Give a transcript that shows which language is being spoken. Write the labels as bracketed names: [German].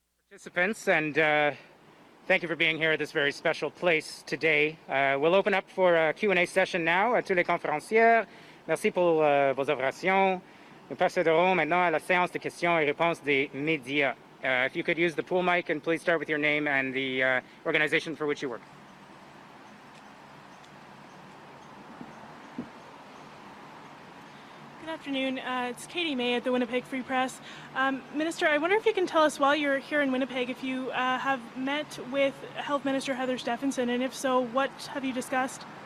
[English] Participants, and thank you for being here at this very special place today. We'll open up for a Q&A session now. [French] À tous les conférenciers, merci pour vos observations. Nous procéderons maintenant à la séance de questions et réponses des médias. [English] If you could use the pool mic and please start with your name and the organization for which you work. Good afternoon. It's Katie May at the Winnipeg Free Press. Minister, I wonder if you can tell us, while you're here in Winnipeg, if you have met with Health Minister Heather Stephenson, and if so, what have you discussed?